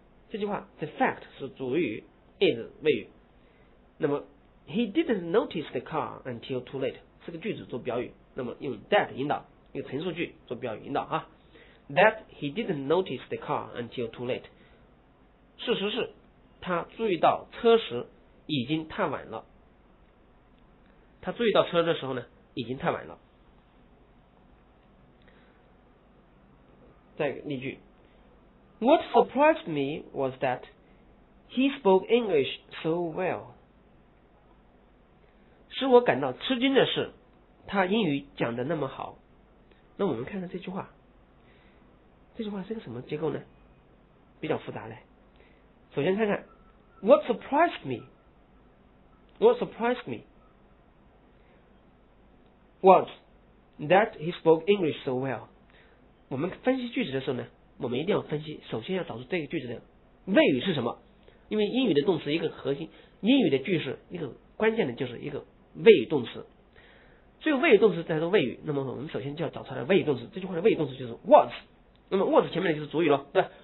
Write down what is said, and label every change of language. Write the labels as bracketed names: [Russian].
[Chinese] 这句话 ，the fact 是主语 ，is 谓语。那么 [English] he didn't notice the car until too late [Chinese] 是个句子做表语，那么用 that 引导，用陈述句做表语引导啊。 [English] That he didn't notice the car until too late。 [Chinese] 事实是，他注意到车时已经太晚了。他注意到车的时候呢已经太晚了。再例句， [English] What surprised me was that he spoke English so well。 [Chinese] 使我感到吃惊的是他英语讲得那么好。那我们看看这句话是个什么结构呢？比较复杂嘞。首先看看 [English] What surprised me was that he spoke English so well。 [Chinese] 我们分析句子的时候呢，我们一定要分析，首先要找出这个句子的谓语是什么，因为英语的动词一个核心，英语的句式一个关键的就是一个谓语动词，最后谓语动词才是谓语，那么我们首先就要找出来谓语动词，这句话的谓语动词就是 was， 那么 was 前面的就是主语了，对吧？